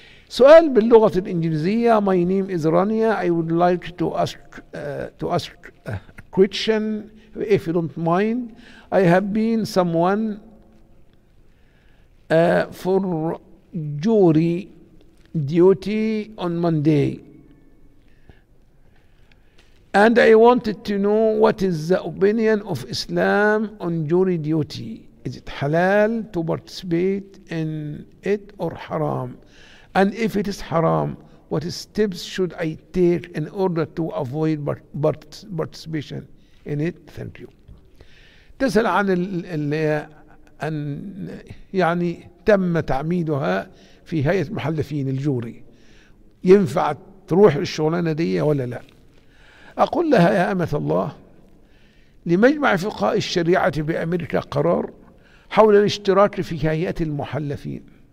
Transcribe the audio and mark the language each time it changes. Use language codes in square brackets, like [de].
[ar] سؤال باللغة الإنجليزية. [en] My name is Rania. I would like to ask a question if you don't mind. I have been someone for jury duty on Monday, and I wanted to know what is the opinion of Islam on jury duty. Is it halal to participate in it or haram? And if it is haram, what steps should I take in order to avoid participation in it? Thank you. [ar] تسأل عن اللي أن يعني تم تعميدها في هيئة المحلفين الجوري، ينفع تروح للشغلانة دي ولا لا؟ أقول لها يا أمة الله، لمجمع فقهاء الشريعة بأمريكا قرار حول الاشتراك في هيئة المحلفين.